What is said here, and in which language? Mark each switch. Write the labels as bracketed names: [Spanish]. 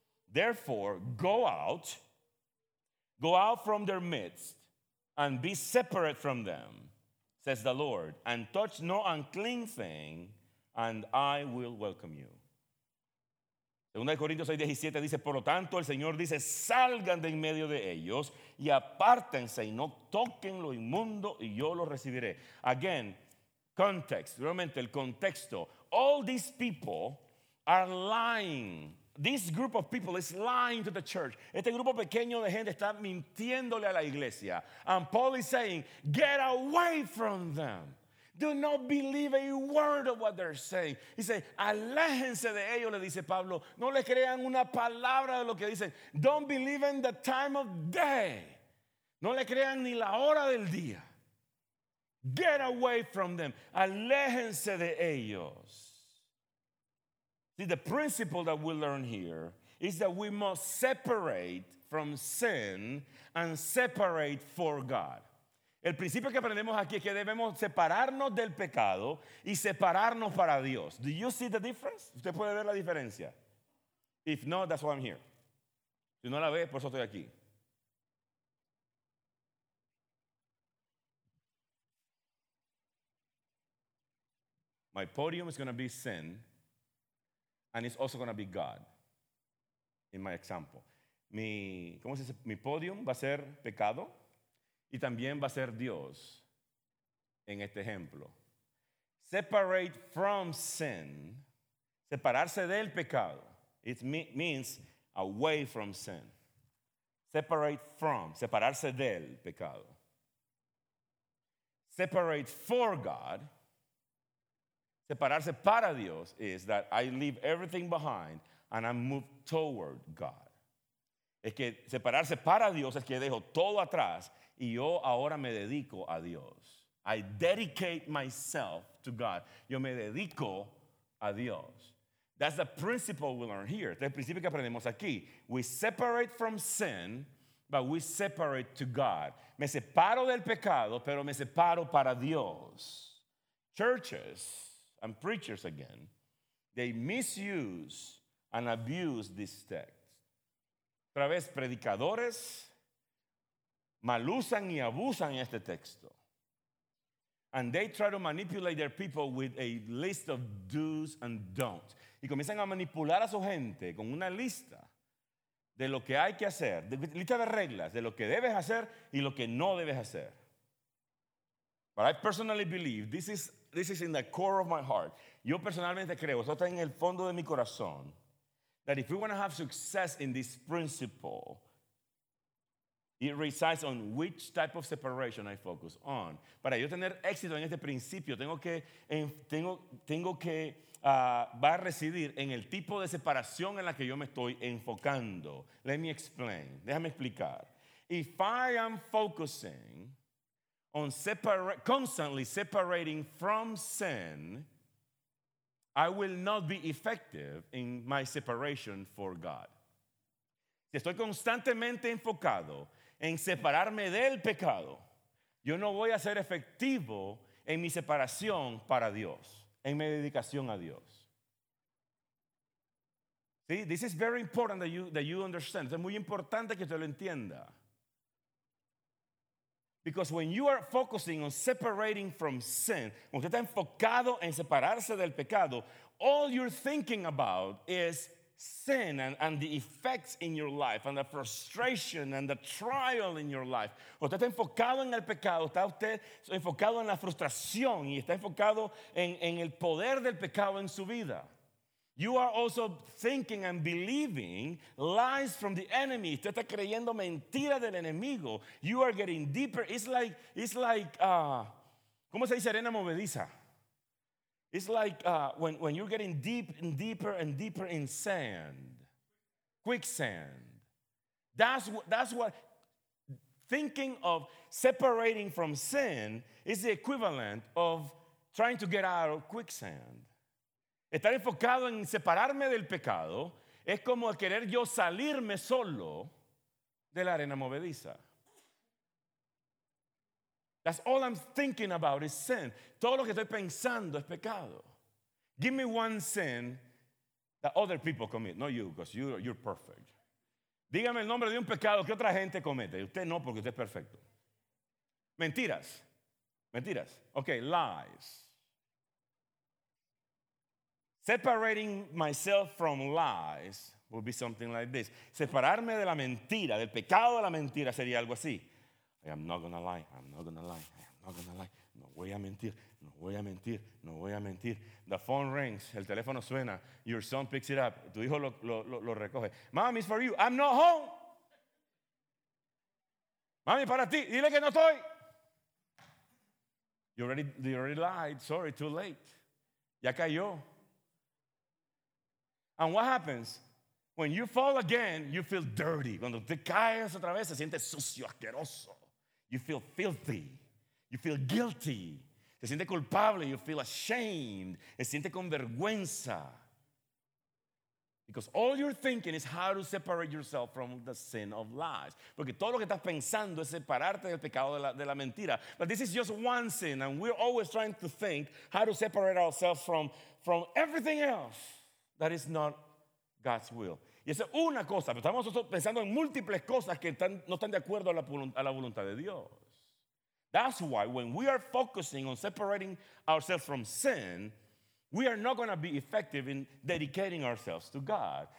[English] Therefore, go out from their midst and be separate from them, says the Lord, and touch no unclean thing, and I will welcome you. [Spanish] 2 Corintios 6:17 dice, por lo tanto, el Señor dice, salgan de en medio de ellos y apártense y no toquen lo inmundo y yo lo recibiré. [English] Again, context, [Spanish] realmente el contexto. [English] All these people are lying. This group of people is lying to the church. [Spanish] Este grupo pequeño de gente está mintiéndole a la iglesia. [English] And Paul is saying, get away from them. Do not believe a word of what they're saying. He says, [Spanish] aléjense de ellos, le dice Pablo. No le crean una palabra de lo que dicen. [English] Don't believe in the time of day. [Spanish] No le crean ni la hora del día. [English] Get away from them. [Spanish] Aléjense de ellos. [English] See, the principle that we learn here is that we must separate from sin and separate for God. [Spanish] El principio que aprendemos aquí es que debemos separarnos del pecado y separarnos para Dios. [English] Do you see the difference? [Spanish] ¿Usted puede ver la diferencia? [English] If not, that's why I'm here. [Spanish] Si no la ve, por eso estoy aquí. [English] My podium is going to be sin. And it's also going to be God, in my example. [Spanish] Mi podium va a ser pecado y también va a ser Dios en este ejemplo. [English] Separate from sin, [Spanish] separarse del pecado, [English] it means away from sin. Separate from, [Spanish] separarse del pecado. [English] Separate for God. [Spanish] Separarse para Dios [English] is that I leave everything behind and I move toward God. [Spanish] Es que separarse para Dios es que dejo todo atrás y yo ahora me dedico a Dios. [English] I dedicate myself to God. [Spanish] Yo me dedico a Dios. [English] That's the principle we learn here. [Spanish] Este es el principio que aprendemos aquí. [English] We separate from sin, but we separate to God. [Spanish] Me separo del pecado, pero me separo para Dios. [English] Churches and preachers again, they misuse and abuse this text. [Spanish] Otra vez, predicadores mal usan y abusan este texto. [English] And they try to manipulate their people with a list of do's and don'ts. [Spanish] Y comienzan a manipular a su gente con una lista de lo que hay que hacer, de lista de reglas, de lo que debes hacer y lo que no debes hacer. [English] But I personally believe this is in the core of my heart. [Spanish] Yo personalmente creo, esto está en el fondo de mi corazón, [English] that if we want to have success in this principle, it resides on which type of separation I focus on. [Spanish] Para yo tener éxito en este principio, va a residir en el tipo de separación en la que yo me estoy enfocando. [English] Let me explain. [Spanish] Déjame explicar. [English] If I am focusing on constantly separating from sin, I will not be effective in my separation for God. [Spanish] Si estoy constantemente enfocado en separarme del pecado, yo no voy a ser efectivo en mi separación para Dios, en mi dedicación a Dios. [English] See, this is very important that you understand. [Spanish] Es muy importante que usted lo entienda. [English] Because when you are focusing on separating from sin, [Spanish] cuando usted está enfocado en separarse del pecado, [English] all you're thinking about is sin and the effects in your life and the frustration and the trial in your life. [Spanish] Cuando usted está enfocado en el pecado, está usted enfocado en la frustración y está enfocado en el poder del pecado en su vida. [English] You are also thinking and believing lies from the enemy. [Spanish] Usted está creyendo mentiras del enemigo. [English] You are getting deeper. It's like, [Spanish] ¿cómo se dice arena movediza? [English] It's like when you're getting deep and deeper and deeper in sand, quicksand. That's what thinking of separating from sin is the equivalent of trying to get out of quicksand. [Spanish] Estar enfocado en separarme del pecado es como querer yo salirme solo de la arena movediza. [English] That's all I'm thinking about is sin. [Spanish] Todo lo que estoy pensando es pecado. [English] Give me one sin that other people commit. Not you, because you're perfect. [Spanish] Dígame el nombre de un pecado que otra gente comete. Usted no, porque usted es perfecto. Mentiras. Mentiras. [English] Okay, lies. Separating myself from lies would be something like this. [Spanish] Separarme de la mentira, del pecado de la mentira, sería algo así. [English] I am not gonna lie, I'm not gonna lie, I am not gonna lie. [Spanish] No voy a mentir, no voy a mentir, no voy a mentir. [English] The phone rings, [Spanish] el teléfono suena. [English] Your son picks it up, [Spanish] tu hijo lo recoge. [English] Mom, it's for you, I'm not home. [Spanish] Mami, para ti, dile que no estoy. [English] You already lied, sorry, too late. [Spanish] Ya cayó. [English] And what happens? When you fall again, you feel dirty. [Spanish] Cuando te caes otra vez, se siente sucio, asqueroso. [English] You feel filthy. You feel guilty. [Spanish] Se siente culpable. [English] You feel ashamed. [Spanish] Se siente con vergüenza. [English] Because all you're thinking is how to separate yourself from the sin of lies. [Spanish] Porque todo lo que estás pensando es separarte del pecado de la mentira. [English] But this is just one sin, and we're always trying to think how to separate ourselves from everything else. That is not God's will. [Spanish] Y esa es una cosa, pero estamos pensando en múltiples cosas que no están de acuerdo a la voluntad de Dios. [English] That's why when we are focusing on separating ourselves from sin, we are not going to be effective in dedicating ourselves to God.